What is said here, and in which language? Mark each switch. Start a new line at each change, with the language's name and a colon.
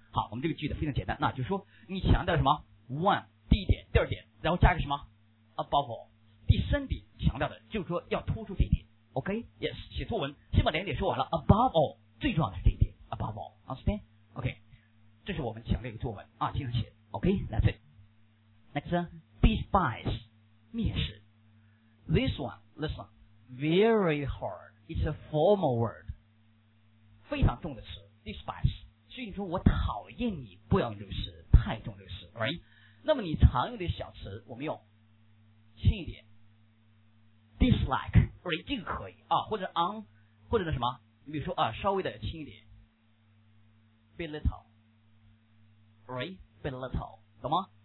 Chinese: 好，我们这个句子非常简单，那就是说你强调什么 one 第一点，第二点，然后加个什么
English: above all
Chinese: 第三点，强调的就是说要突出这一点。
English: OK yes，
Chinese: 写作文先把两点说完了，
English: above all
Chinese: 最重要的是这一点 above all，
English: understand？
Chinese: OK， 这是我们强调一个作文啊，经常写。
English: OK that's itNext, despise,
Chinese: 蔑视。
English: This one, listen, very hard. It's a formal word.
Chinese: 非常重的词 despise. 所以你说我讨厌你，不要用这个词，太重这个词 ，right？那么你常用的小词，我们用轻一点 ，dislike，right？这个可以啊，或者 on， 或者那什么，你比如说啊，稍微的轻一点 ，belittle，right？belittle， 懂吗？